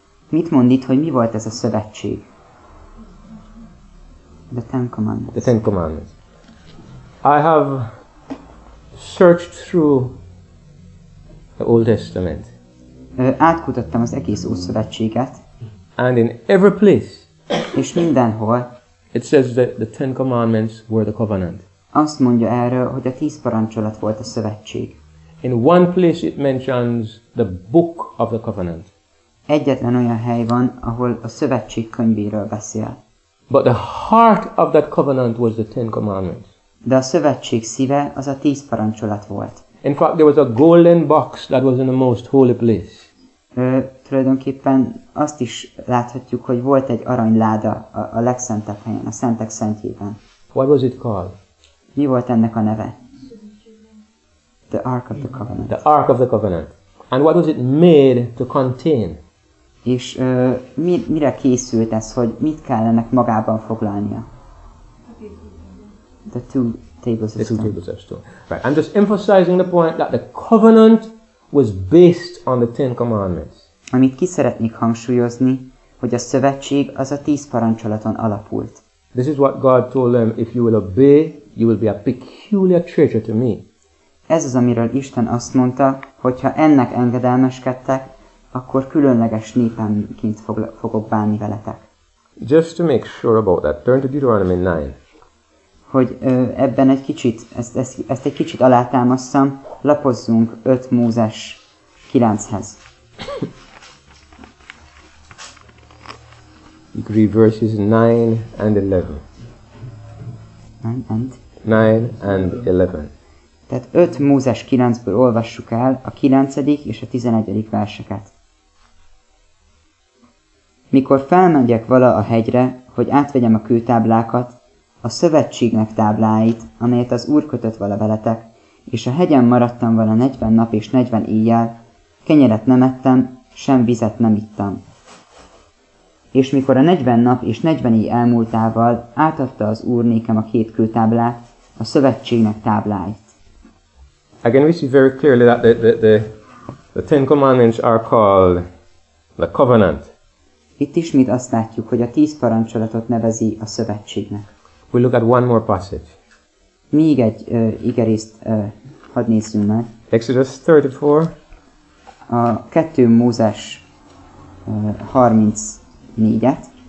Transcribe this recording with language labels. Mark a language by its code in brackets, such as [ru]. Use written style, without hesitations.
[hu] Mit mond itt, hogy mi volt ez a szövetség? [en] The Ten Commandments. The Ten Commandments. I have searched through the Old Testament. [hu] Átkutattam az egész Ószövetséget. [en] And in every place. [hu] És mindenhol. [en] It says that the Ten Commandments were the covenant. [hu] Azt mondja erről, hogy a 10 parancsolat volt a szövetség. [en] In one place it mentions the book of the covenant. [hu] Egyetlen olyan hely van, ahol a szövetség könyvéről beszél. [en] But the heart of that covenant was the Ten Commandments. [hu] De a szövetség szíve az a 10 parancsolat volt. [en] In fact, there was a golden box that was in the most holy place. [hu] Tulajdonképpen azt is láthatjuk, hogy volt egy aranyláda a legszentebb helyen, a szentek szentjében. [en] What was it called? [hu] Mi volt ennek a neve? [en] The Ark of the Covenant. The Ark of the Covenant. And what was it made to contain? [hu] És mire készült ez, hogy mit kell ennek magában foglalnia? [en] The two tables of stone. The two tables of stone. Right. I'm just emphasizing the point that the covenant was based on the Ten Commandments. [hu] Amit ki szeretnék hangsúlyozni, hogy a szövetség az a 10 parancsolaton alapult. [en] This is what God told them, if you will obey, you will be a peculiar treasure to me. [hu] Ez az, amiről Isten azt mondta, hogyha ennek engedelmeskedtek, akkor különleges népemként fogok bánni veletek. [en] Just to make sure about that, turn to Deuteronomy 9. [hu] Hogy ebben egy kicsit, ezt egy kicsit alátámasszam, lapozzunk 5 Mózes 9-hez. [en] You can read verses 9 and 11. 9 and 11. [hu] Tehát 5 Mózes 9-ből olvassuk el a 9. és a 11. verseket. Mikor felmegyek vala a hegyre, hogy átvegyem a kőtáblákat, a szövetségnek tábláit, amelyet az Úr kötött vala veletek, és a hegyen maradtam vala 40 nap és 40 éjjel, kenyeret nem ettem, sem vizet nem ittam. És mikor a 40 nap és 40 éj elmúltával átadta az Úr nékem a két kőtáblát, a szövetségnek tábláit. [en] Again, we see very clearly that the Ten Commandments are called the covenant. [hu] Itt ismét azt látjuk, hogy a tíz parancsolatot nevezi a szövetségnek. [en] We look at one more passage. [hu] Még egy igerészt hadd nézzünk meg. [en] Exodus 34. [hu] A 2 Mózes 34-et.